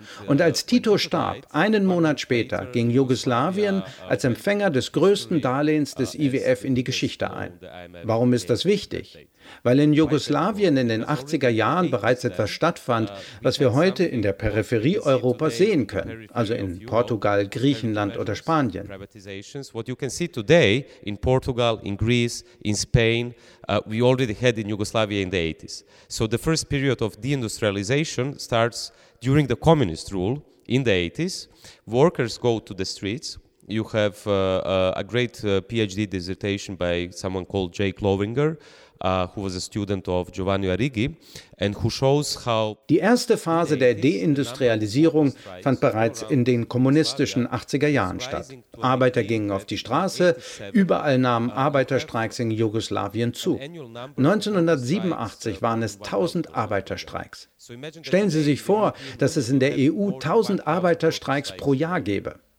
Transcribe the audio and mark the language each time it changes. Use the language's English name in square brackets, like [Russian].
[German] Und als Tito starb, einen Monat später, ging Jugoslawien als Empfänger des größten Darlehens des IWF in die Geschichte ein. Warum ist das wichtig? Weil in Jugoslawien in den 80er Jahren bereits etwas stattfand, was wir heute in der Peripherie Europas sehen können, also in Portugal, Griechenland oder Spanien. [English] What you can see today in Portugal, in Greece, in Spain, we already had in Yugoslavia in the 80s. So the first period of deindustrialization starts during the communist rule in the 80s. Workers go to the streets. You have a great PhD dissertation by someone called Jake Lovinger, who was a student of Giovanni Arrighi, and who shows how. [German] Die erste Phase der Deindustrialisierung fand bereits in den kommunistischen 80er Jahren statt. Arbeiter gingen auf die Straße, überall nahmen Arbeiterstreiks in Jugoslawien zu. 1987 waren es 1000 Arbeiterstreiks. Stellen Sie sich vor, dass es in der EU 1000 Arbeiterstreiks pro Jahr gäbe.